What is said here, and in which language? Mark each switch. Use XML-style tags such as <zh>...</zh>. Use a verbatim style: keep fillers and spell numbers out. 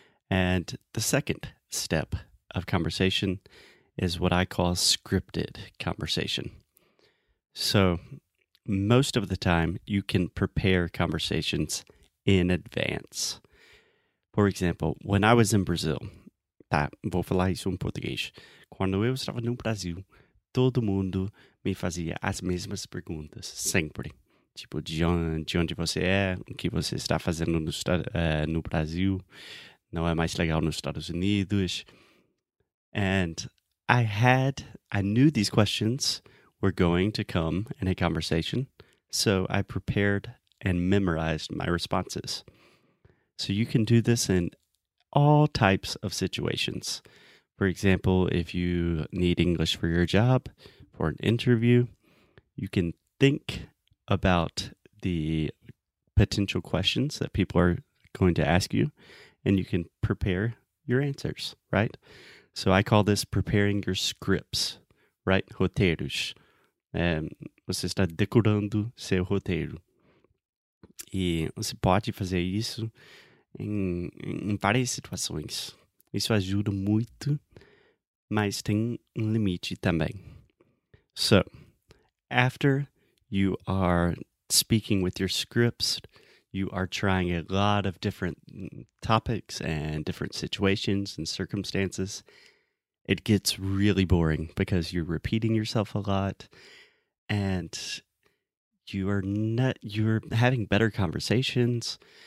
<en>And the second step of conversation is what I call scripted conversation. So most of the time you can prepare conversations in advance. For example, when I was in Brazil,</en> <pt>tá, vou falar isso em português. Quando eu estava no Brasil, todo mundo me fazia as mesmas perguntas, sempre. Tipo, de onde, de onde você é, o que você está fazendo no, uh, no Brasil, não é mais legal nos Estados Unidos.</pt> <en>And I had, I knew these questions were going to come in a conversation, so I prepared and memorized my responses. So you can do this in all types of situations. For example, if you need English for your job, for an interview, you can think about the potential questions that people are going to ask you, and you can prepare your answers, right? So I call this preparing your scripts, right?</en> <pt>Roteiros. É, você está decorando seu roteiro. E você pode fazer isso em, em várias situações. Isso ajuda muito, mas tem um limite também.</pt> <en>So, after you are speaking with your scripts, you are trying a lot of different topics and different situations and circumstances. it gets really boring because you're repeating yourself a lot and you are not, you're having better conversations.</en>